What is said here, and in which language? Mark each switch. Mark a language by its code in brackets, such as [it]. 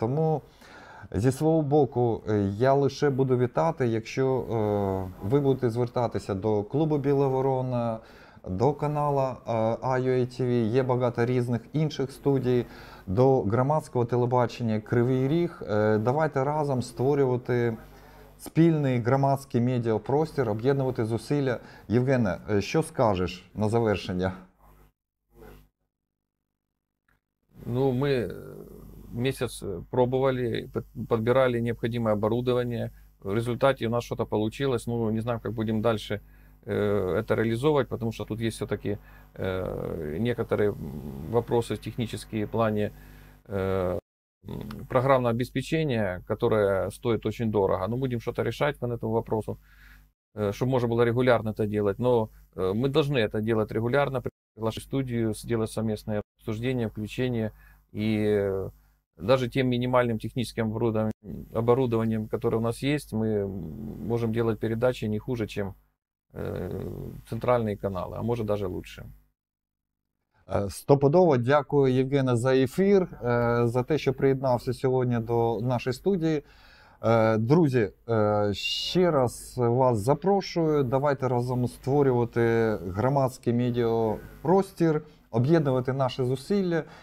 [uk] Тому, зі свого боку, я лише буду вітати, якщо ви будете звертатися до клубу «Біла Ворона», до каналу IUATV, є багато різних інших студій, до громадського телебачення «Кривий Ріг». Давайте разом створювати спільний громадський медіапростір, об'єднувати зусилля. Євгене, що скажеш на завершення? [ru] Ну, мы месяц пробовали, подбирали необходимое оборудование. В результате у нас что-то получилось. Ну, не знаю, как будем дальше это реализовывать, потому что тут есть все-таки некоторые вопросы технические в плане программного обеспечения, которое стоит очень дорого. Но будем что-то решать по этому вопросу, чтобы можно было регулярно это делать. Но мы должны это делать регулярно, приглашать в студию, сделать совместное обсуждение, включение. И даже тем минимальным техническим оборудованием, которое у нас есть, мы можем делать передачи не хуже, чем центральные каналы, а может даже лучше. [uk] Стопудово дякую, Євгене, за ефір, за те, що приєднався сьогодні до нашої студії. Друзі, ще раз вас запрошую, давайте разом створювати громадський медіапростір, об'єднувати наші зусилля.